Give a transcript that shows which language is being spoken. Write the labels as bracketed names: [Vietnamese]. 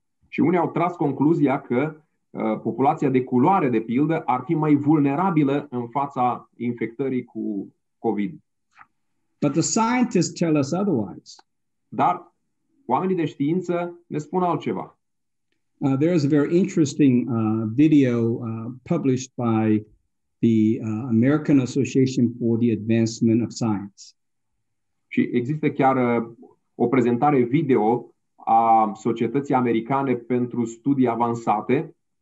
[Romanian] Și unii au tras concluzia că populația de culoare, de pildă, ar fi mai vulnerabilă în fața infectării cu COVID. [English] But the scientists tell us otherwise. [Romanian] Dar oamenii de știință ne spun altceva. [English] There is a very interesting video published by the American Association for the Advancement of Science. [Romanian] Și există chiar o prezentare video a Societății Americane pentru Studii Avansate.